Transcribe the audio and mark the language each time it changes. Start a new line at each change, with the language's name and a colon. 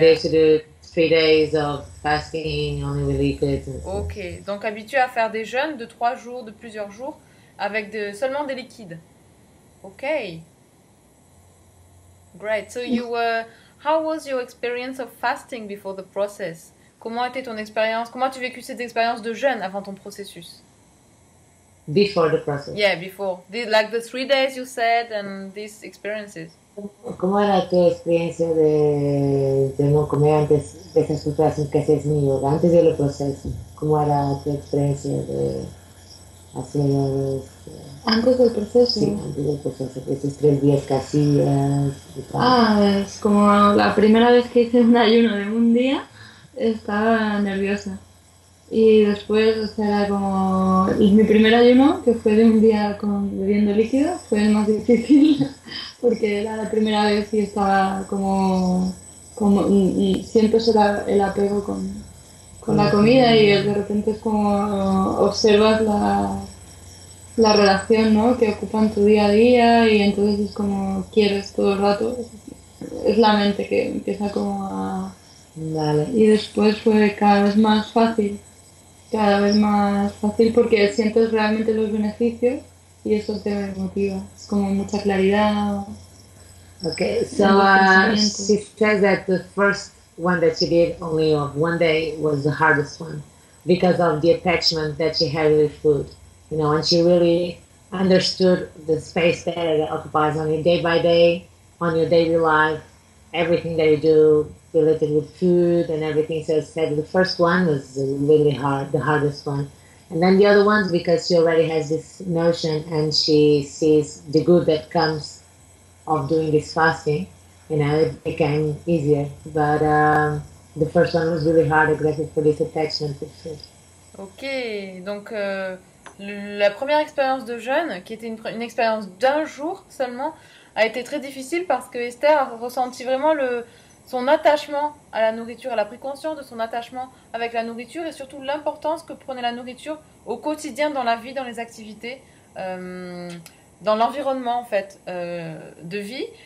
English: They should do 3 days of fasting only with liquids.
French: Ok, donc habituée à faire des jeûnes de 3 jours, de plusieurs jours, avec seulement des liquides. Ok.
English: Great. So you were. How was your experience of fasting before the process?
French: Comment était ton expérience? Comment as-tu vécu cette expérience de jeûne avant ton processus?
English: Before the process. Yeah, before. Like the 3 days you said and these experiences.
Spanish: ¿Cómo era tu experiencia de no comer antes de esas preparaciones que hacías en yoga, antes de lo proceso? ¿Cómo era tu experiencia de hacer antes del proceso? Sí, antes del proceso, esos 3 días que hacías. Es como la primera vez que hice un ayuno de un día, estaba nerviosa. Y después, o sea, era como... Y mi primer ayuno, que fue de un día bebiendo líquido, fue el más difícil, porque era la primera vez y estaba como y siento el apego con la comida, y de repente es como observas la relación, ¿no?, que ocupan tu día a día, y entonces es como quieres todo el rato. Es la mente que empieza como a... Vale. Y después fue cada vez más fácil. Cada vez más fácil porque sientes realmente los beneficios y eso te motiva. Es como mucha claridad.
English: Okay, so she says that the first one that she did only of one day was the hardest one because of the attachment that she had with food. You know, and she really understood the space that it occupies on your day by day, on your daily life, everything that you do related with food and everything. So said the first one was really hard, the hardest one. And then the other ones, because she already has this notion and she sees the good that comes of doing this fasting, you know, it became easier. But The first one was really hard, aggressive police attacks, for sure.
French: Ok, donc la première expérience de jeûne, qui était une expérience d'un jour seulement, a été très difficile parce que Esther a ressenti vraiment son attachement à la nourriture. Elle a pris conscience de son attachement avec la nourriture et surtout l'importance que prenait la nourriture au quotidien, dans la vie, dans les activités, dans l'environnement en fait de vie.